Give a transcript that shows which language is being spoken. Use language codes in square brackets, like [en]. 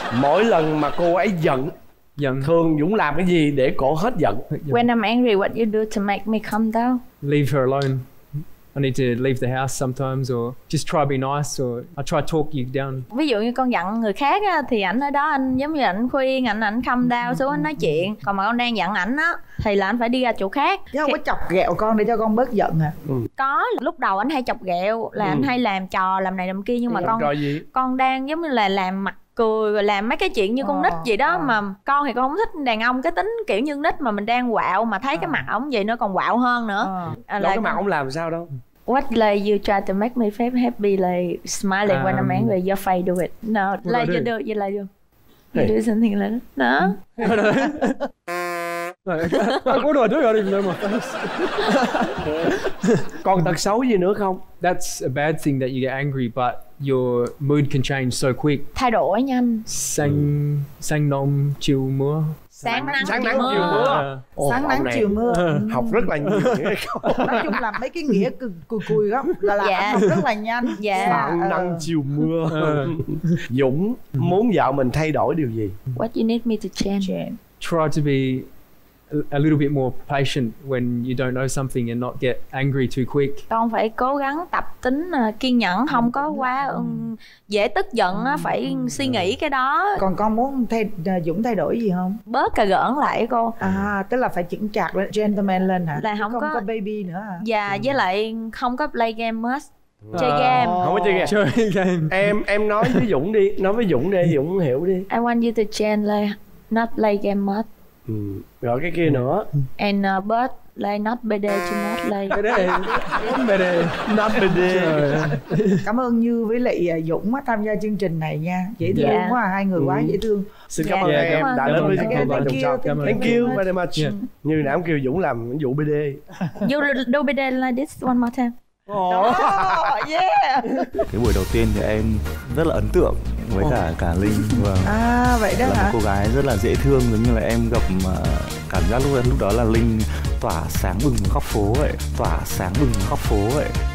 [vi] Mỗi lần mà cô ấy giận, thường Dũng làm cái gì để cô hết giận? [en] When I'm angry, what you do to make me calm down? Leave her alone. I need to leave the house sometimes or just try to be nice or I try to talk you down. [vi] Ví dụ như con giận người khác á, thì ảnh ở đó anh giống như ảnh khuyên, ảnh [en] calm down [vi] xuống anh nói chuyện. Còn mà con đang giận ảnh á thì là anh phải đi ra chỗ khác. Chứ không có chọc ghẹo con để cho con bớt giận à? Có, lúc đầu anh hay chọc ghẹo là anh hay làm trò làm này làm kia, nhưng mà con đang giống như là làm mặt cười rồi làm mấy cái chuyện như con nít vậy đó. Mà con thì con không thích đàn ông cái tính kiểu như nít, mà mình đang quạo mà thấy cái mặt ổng vậy nó còn quạo hơn nữa. Cái mặt ổng làm sao đâu. [en] What like you try to make me feel happy, like smiling when I'm angry, your face do it. No, like you do, you like you. You do something like that. No. What do I do? I don't even know my face. [vi] Còn tật xấu gì nữa không? [en] That's a bad thing that you get angry, but your mood can change so quick. [vi] Thay đổi nhanh. Sáng nóng chiều mưa. Sáng nắng chiều mưa. Sáng nắng chiều mưa. Học rất là nhiều. Nói chung là mấy cái nghĩa cùi đó là học rất là nhanh. Sáng nắng chiều mưa. Dũng muốn vợ mình thay đổi điều gì? [en] What you need me to change? Try to be a little bit more patient when you don't know something and not get angry too quick. [vi] Con phải cố gắng tập tính kiên nhẫn, không có quá dễ tức giận, phải suy nghĩ cái đó. Còn con muốn Dũng thay đổi gì không? Bớt cà gỡn lại cô. Tức là phải chững chạc lên, gentleman lên hả? Là không có baby nữa à? Dạ, với lại không có [en] play game much. [vi] Chơi game. Không có chơi game. Chơi game. Em nói với Dũng đi, Dũng hiểu đi. [en] I want you to change, like, not play game much. [vi] Rồi cái kia nữa. [en] And but like not bd to not like bd bd not bd. [vi] Cảm ơn Như với lại Dũng tham gia chương trình này nha. Dễ thương quá, hai người quá dễ thương. Xin cảm ơn các em đã đến với chương trình. [en] Thank you very much. [vi] Như nãy ông kêu Dũng làm vụ bd. [en] You do bd like this one more time. Oh yeah. [vi] Cái buổi đầu tiên thì em rất là ấn tượng với cả Linh. Vâng. À vậy đó là hả? Một cô gái rất là dễ thương, giống như là em gặp cảm giác lúc đó là Linh tỏa sáng bừng khắp phố vậy, tỏa sáng bừng khắp phố vậy.